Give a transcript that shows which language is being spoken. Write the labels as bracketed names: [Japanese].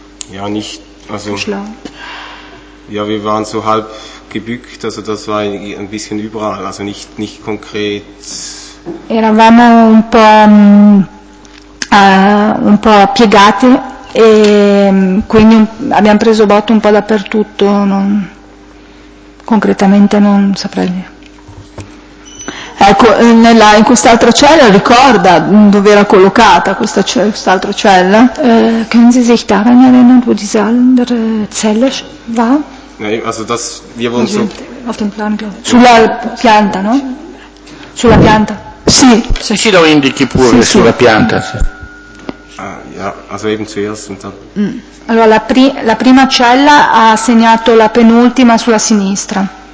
[German] Ja, nicht, also, ja, wir waren so halb gebückt, also das war ein bisschen überall, also nicht konkret. [Italian] Eravamo un po' piegati e quindi abbiamo preso botte un po' dappertutto, non, concretamente non saprei dire. Ecco, in quest'altra cella ricorda dove era collocata quest'altra cella? [German] Können Sie sich daran erinnern, wo diese andere Zelle war? Nein, also das, wir wollen so... Auf dem Plan, glaube ich. [Italian] Sulla pianta, no? Sulla pianta. Sì. Sì, lo indichi pure sulla pianta. [German] Ja, also eben zuerst und dann... [Italian] Allora, la prima cella ha segnato la penultima sulla sinistra.